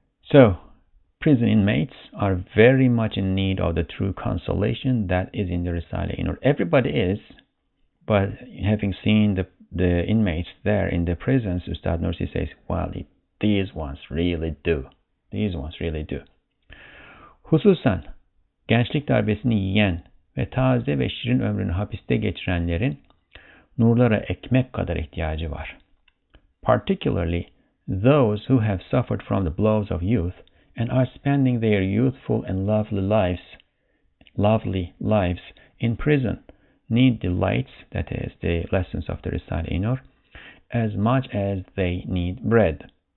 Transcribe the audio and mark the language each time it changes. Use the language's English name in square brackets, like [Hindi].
[English] So prison inmates are very much in need of the true consolation that is in the Risale-i Nur. Everybody is, but having seen the inmates there in the prisons, Ustad Nursi says, well, these ones really do. [Turkish] Hususan gençlik darbesini yiyen ve taze ve şirin ömrünü hapiste geçirenlerin nurlara ekmek kadar ihtiyacı var. [English] Particularly those who have suffered from the blows of youth and are spending their youthful and lovely lives in prison need the lights, that is the lessons of the Risale-i Nur, as much as they need bread.